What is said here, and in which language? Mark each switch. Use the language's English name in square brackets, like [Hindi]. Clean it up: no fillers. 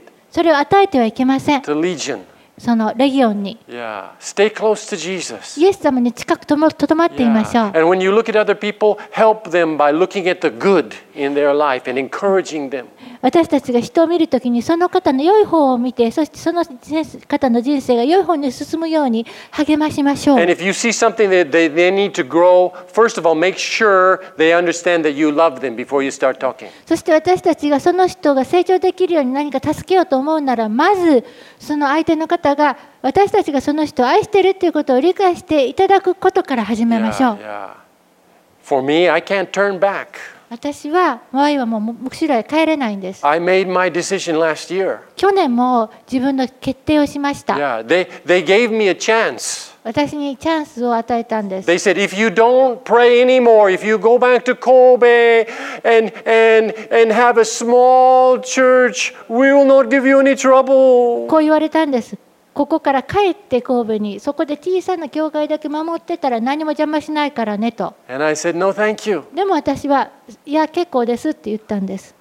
[Japanese] それを与えてはいけません。そのレギオンに。 [English] Stay close to Jesus. [Japanese] イエス様に近くとどまっていましょう。 [English] And when you look at other people, help them by looking at the good in their life and encouraging them. [Japanese] 私たちが人を見るときにその方の良い方を見て、そしてその方の人生が良い方に進むように励ましましょう。 [English] And if you see something that they need to grow, first of all, make sure they understand that you love them before you start talking. [Japanese] そして私たちがその人が成長できるように何か助けようと思うなら、まずその相手の方が私たちがその人を愛しているということを理解していただくことから始めましょう。 [English] For me, I can't turn back. [Japanese] 私は場合はもう後ろへ帰れないんです。 [English] I made my decision last year. [Japanese] 去年も自分の決定をしました。 [English] Yeah, they gave me a chance. [Japanese] 私にチャンスを与えたんです。 [English] They said if you don't pray anymore, if you go back to Kobe and have a small church, we will not give you any trouble. [Japanese] こう言われたんです。ここから帰って神戸に、そこで小さな教会だけ守ってたら何も邪魔しないからねと。 And I said, no, thank you. でも私は、いや結構ですって言ったんです。